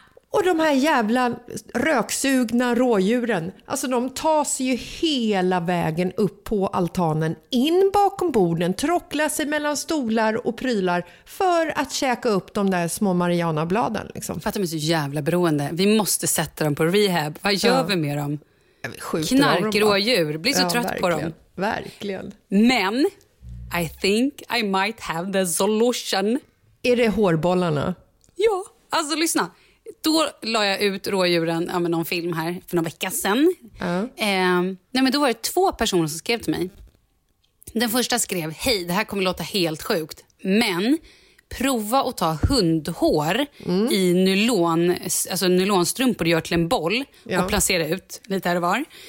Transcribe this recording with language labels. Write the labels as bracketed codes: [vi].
[sv] Och de här jävla röksugna rådjuren, alltså de tas ju hela vägen upp på altanen, in bakom borden, trocklar sig mellan stolar och prylar för att käka upp de där små marianabladen. Liksom. För att de är så jävla beroende. Vi måste sätta dem på rehab. Vad gör vi med dem? Knarkrådjur. Blir så trött verkligen på dem. Verkligen. [en] Men, I think I might have the solution. [sv] Är det hårbollarna? Ja, alltså lyssna. Då la jag ut rådjuren, ja, men någon film här för någon vecka sedan. Nej, men då var det 2 personer som skrev till mig. Den första skrev, hej, det här kommer låta helt sjukt, men prova att ta hundhår i nylon, alltså nylonstrumpor och gör till en boll och placera ut lite här och var.